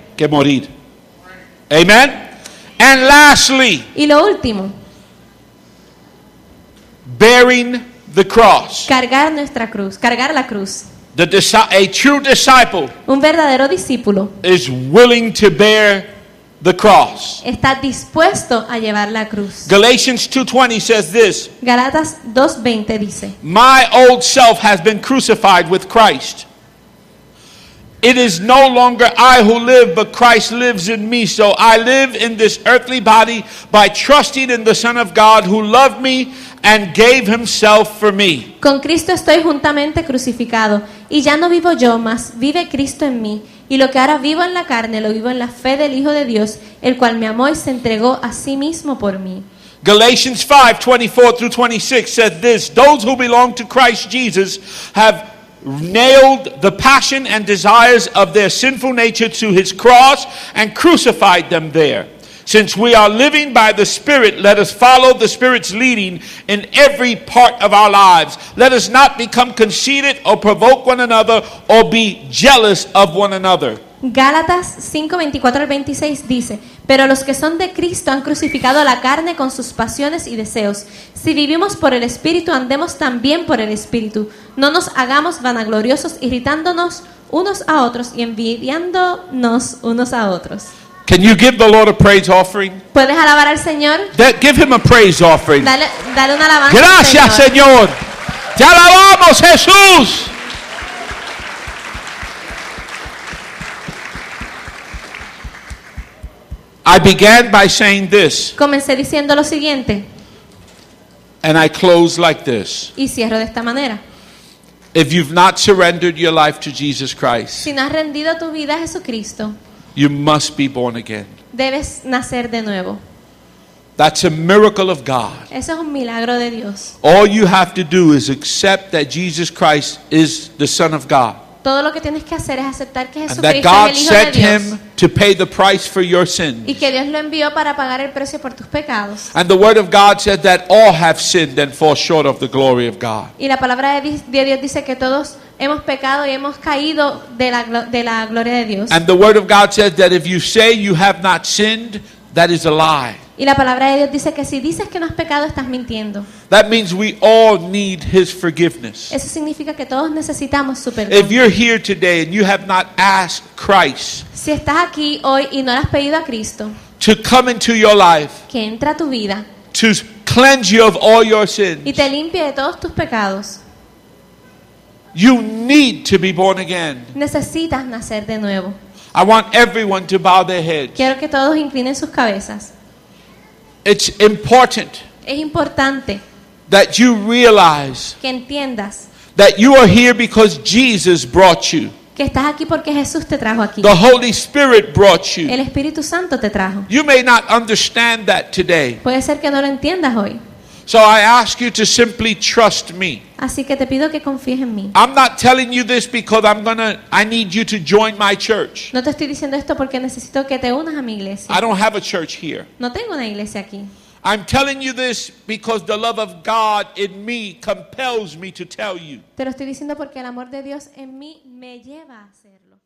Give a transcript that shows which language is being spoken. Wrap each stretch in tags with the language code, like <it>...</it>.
<es>Que morir. Amen.</es> <en>And lastly,</en> <es>y lo último,</es> <en>bearing the cross.</en> <es>Cargar nuestra cruz. Cargar la cruz.</es> <en>A true disciple,</en> <es>un verdadero discípulo,</es> <en>is willing to bear the cross.</en> <es>Está dispuesto a llevar la cruz.</es> <en>Galatians 2:20 says this.</en> <es>Galatas 2:20 dice:</es> <en>My old self has been crucified with Christ. It is no longer I who live, but Christ lives in me. So I live in this earthly body by trusting in the Son of God who loved me and gave himself for me.</en> <es>Con Cristo estoy juntamente crucificado, y ya no vivo yo, mas vive Cristo en mí. Y lo que ahora vivo en la carne, lo vivo en la fe del Hijo de Dios, el cual me amó y se entregó a sí mismo por mí.</es> <en>Galatians 5:24-26 says this: Those who belong to Christ Jesus have nailed the passion and desires of their sinful nature to his cross and crucified them there. Since we are living by the Spirit, let us follow the Spirit's leading in every part of our lives. Let us not become conceited or provoke one another or be jealous of one another.</en> <es>Gálatas 5:24-26 dice: Pero los que son de Cristo han crucificado la carne con sus pasiones y deseos. Si vivimos por el Espíritu, andemos también por el Espíritu. No nos hagamos vanagloriosos, irritándonos unos a otros y envidiándonos unos a otros.</es> <en>Can you give the Lord a praise offering?</en> <es>¿Puedes alabar al Señor?</es> <en>Give him a praise offering.</en> <es>Dale una alabanza. Gracias, Señor. Te alabamos, Jesús.</es> <en>I began by saying this.</en> <es>Comencé diciendo lo siguiente.</es> <en>And I close like this.</en> <es>Y cierro de esta manera.</es> <en>If you've not surrendered your life to Jesus Christ,</en> <es>si no has rendido tu vida a Jesucristo,</es> <en>you must be born again.</en> <es>Debes nacer de nuevo.</es> <en>That's a miracle of God.</en> <es>Eso es un milagro de Dios.</es> <en>All you have to do is accept that Jesus Christ is the Son of God.</en> <es>Todo lo que tienes que hacer es aceptar que Jesucristo es el Hijo de Dios.</es> <en>And that God sent him to pay the price for your sins.</en> <es>Y que Dios lo envió para pagar el precio por tus pecados.</es> <en>And the word of God said that all have sinned and fall short of the glory of God.</en> <es>Y la palabra de Dios dice que todos hemos pecado y hemos caído de la gloria de Dios.</es> <en>And the word of God says that if you say you have not sinned, that is a lie.</en> <es>Y la palabra de Dios dice que si dices que no has pecado, estás mintiendo.</es> <en>That means we all need his forgiveness.</en> <es>Eso significa que todos necesitamos su perdón.</es> <en>If you're here today and you have not asked Christ,</en> <es>si estás aquí hoy y no le has pedido a Cristo,</es> <en>to come into your life,</en> <es>que entra a tu vida,</es> <en>to cleanse you of all your sins,</en> <es>y te limpie de todos tus pecados,</es> <en>you need to be born again.</en> <es>Necesitas nacer de nuevo.</es> <en>I want everyone to bow their heads.</en> <es>Quiero que todos inclinen sus cabezas.</es> <en>It's important.</en> <es>Es importante</es> <en>that you realize</en> <es>que entiendas</es> <en>that you are here because Jesus brought you.</en> <es>Que estás aquí porque Jesús te trajo aquí.</es> <en>The Holy Spirit brought you.</en> <es>El Espíritu Santo te trajo.</es> <en>You may not understand that today.</en> <es>Puede ser que no lo entiendas hoy.</es> <en>So I ask you to simply trust me.</en> <es>Así que te pido que confíes en mí.</es> <en>I'm not telling you this because I need you to join my church.</en> <es>No te estoy diciendo esto porque necesito que te unas a mi iglesia.</es> <en>I don't have a church here.</en> <es>No tengo una iglesia aquí.</es> <en>I'm telling you this because the love of God in me compels me to tell you.</en> <es>Te lo estoy diciendo porque el amor de Dios en mí me lleva a hacerlo.</es>